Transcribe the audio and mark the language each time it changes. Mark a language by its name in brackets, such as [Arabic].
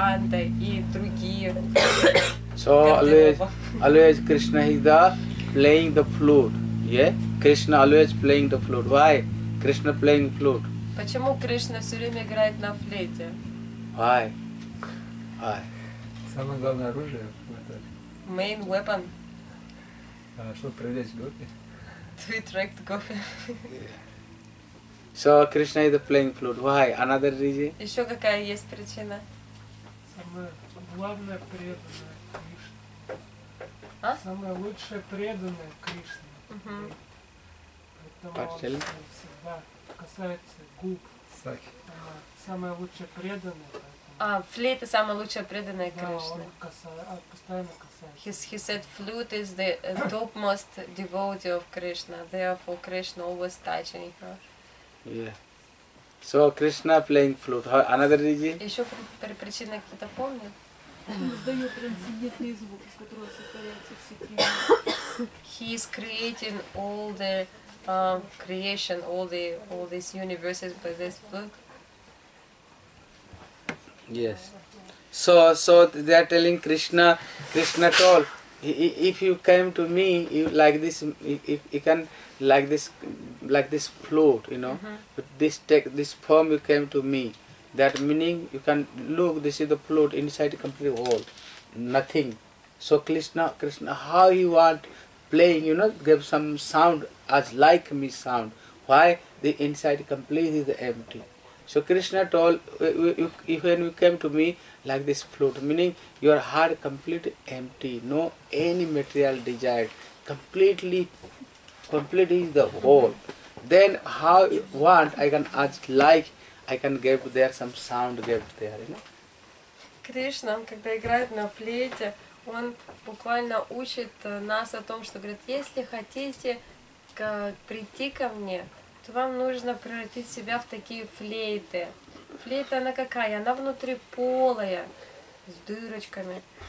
[English] So always Krishna is the playing the flute. Yeah? Krishna always playing the flute. Why? Krishna playing flute. [Russian] Почему Кришна все время играет на флейте? [English] Why? [Russian] Самое главное оружие в этом. [English] Main weapon. [Russian] Чтобы привлечь гопи. [English] To attract гопи. So Krishna is the playing flute. Why? Another reason? [Russian] Еще какая есть причина? Самое главное преданное Кришна. А? Самое лучшее преданное Кришна. Поэтому он всегда касается губ. Самое лучшее преданное. Поэтому... Флейта самое лучшее преданное Кришна. Да, он постоянно касается. [English] He said flute is the topmost devotee of Krishna. Therefore Krishna always touching her. Yeah. So Krishna playing flute. Another reason? [Russian] Еще причина какие-то помнят? Он издает трансцендентные звуки, с которого состоятся все кришны. [English] He is creating all the creation, all these universes by this flute. Yes. So they are telling Krishna, Krishna told, if you came to me, you like this, you can like this flute, you know, this form you came to me, that meaning you can look, this is the flute inside completely whole, nothing. So Krishna, how you want playing, you know, give some sound as like me sound. Why? The inside completely is empty. So Krishna told, when you came to me, like this flute, meaning your heart completely empty, no any material desire, completely the whole. Then how you want, I can ask like, I can give there some sound, give there, you know. [Russian] Кришна, когда играет на флейте, он буквально учит нас о том, что говорит, если хотите прийти ко мне, вам нужно превратить себя в такие флейты. Флейта она какая? Она внутри полая, с дырочками.